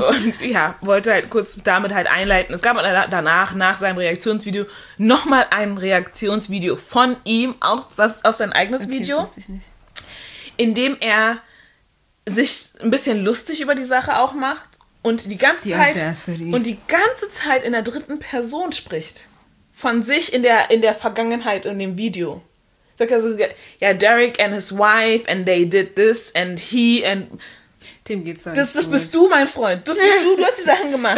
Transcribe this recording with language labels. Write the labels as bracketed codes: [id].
[de] Und ja, wollte halt kurz damit halt einleiten. Es gab danach, nach seinem Reaktionsvideo, nochmal ein Reaktionsvideo von ihm, auch das auf sein eigenes okay, Video. Das wusste ich nicht. In dem er sich ein bisschen lustig über die Sache auch macht und die ganze die Zeit [en] Audacity. [de] Und die ganze Zeit in der dritten Person spricht. Von sich in der Vergangenheit in dem Video. Sagt er so, ja, [en] Derek and his wife and they did this and he and... [de] Dem geht's dann das bist du, mein Freund. Das bist du, du hast die Sachen gemacht.